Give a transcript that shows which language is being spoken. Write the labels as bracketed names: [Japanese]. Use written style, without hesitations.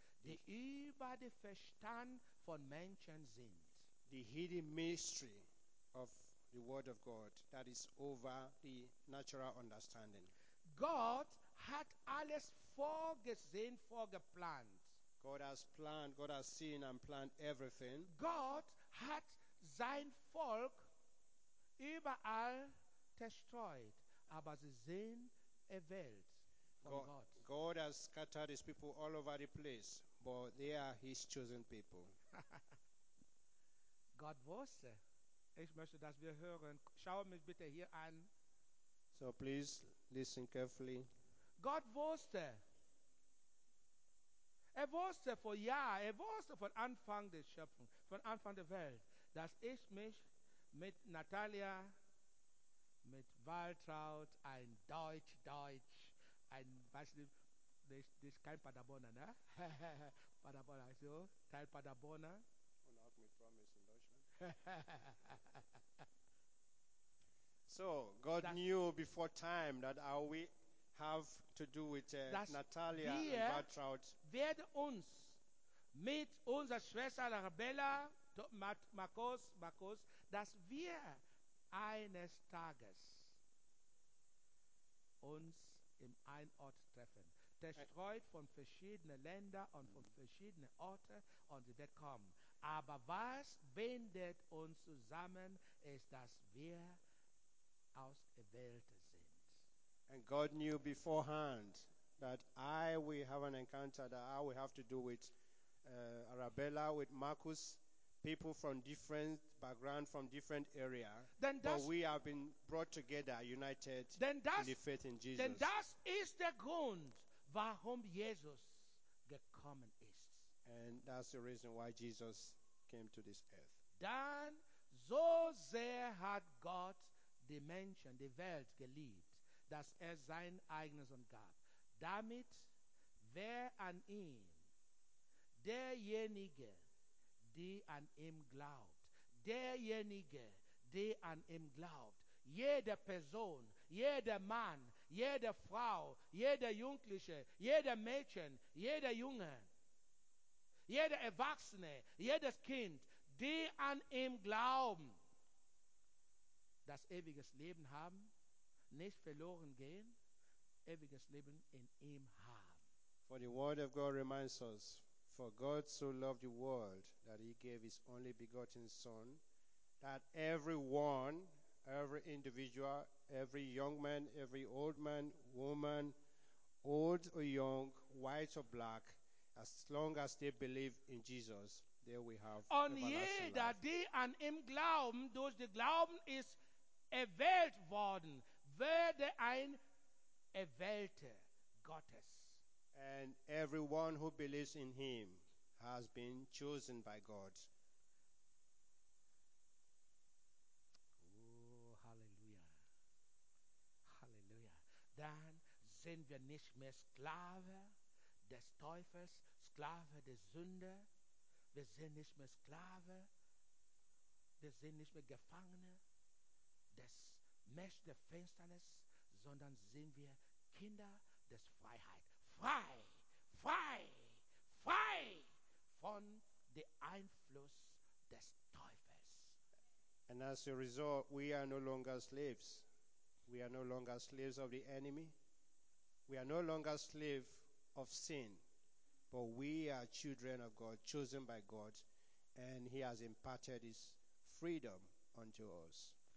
[German] The über den Verstand von Menschen sind. [English] The hidden mystery of the word of God that is over the natural understanding. [German] God hat alles vorgesehen, vorgeplant. [English] God has planned, God has seen and planned everything. [German] God hat sein Volk überall zerstreut, aber sie sehen a Welt von God, Gott. [English] God has scattered his people all over the place, but they are his chosen people. [German] God wusste. Ich möchte, dass wir hören. Schau mich bitte hier an. [English] So please listen carefully. [German] God wusste. Er wusste vor Jahr, er wusste von Anfang der Schöpfung, von Anfang der Welt, dass ich mich mit Natalia, mit Waltraud, ein Deutsch, ein, weiß nicht, das ist kein Paderborner, ne? Paderborner, also, Teil Paderborner. Und auch mit Promise in Deutschland. [English] So, God [German] das [English] knew before time that how we have to do with Natalia and Waltraud. [German] Wir werden uns mit unserer Schwester Arabella, Markus, dass wir eines Tages uns im einen Ort treffen. Zerstreut von verschiedenen Ländern und von verschiedenen Orten und sie wird kommen. Aber was bindet uns zusammen, ist, dass wir aus der Welt sind. [English] And God knew beforehand that I will have an encounter that I will have to do with Arabella, with Markus, people from different background, from different area, then but we have been brought together, united in the faith in Jesus. Then that is the ground [German] warum Jesus gekommen ist. [English] And that's the reason why Jesus came to this earth. [German] Dann so sehr hat Gott die Menschen, die Welt geliebt, dass er sein eigenes Sohn gab. Damit wer an ihn, derjenige, die an ihm glaubt. Derjenige, die an ihm glaubt. Jede Person, jeder Mann, jede Frau, jeder Jugendliche, jeder Mädchen, jeder Junge, jeder Erwachsene, jedes Kind, die an ihm glauben, das ewiges Leben haben, nicht verloren gehen, ewiges Leben in ihm haben. [English] For the word of God reminds us, for God so loved the world that he gave his only begotten Son, that everyone, every individual, every young man, every old man, woman, old or young, white or black, as long as they believe in Jesus, there we have [German] on jeder, die an ihm glauben, durch den Glauben ist erwählt worden, werde ein Erwählter Gottes. [English] And everyone who believes in him has been chosen by God. Oh, hallelujah. Hallelujah. [German] Dann sind wir nicht mehr Sklave des Teufels, Sklave der Sünde. Wir sind nicht mehr Sklave. Wir sind nicht mehr Gefangene des Mächte der Finsternis, sondern sind wir Kinder des Freiheit. Frei, frei, frei von dem Einfluss des Teufels. [English] And as a result, we are no longer slaves. We are no longer slaves of the enemy. We are no longer slaves of sin. But we are children of God, chosen by God, and he has imparted his freedom unto us.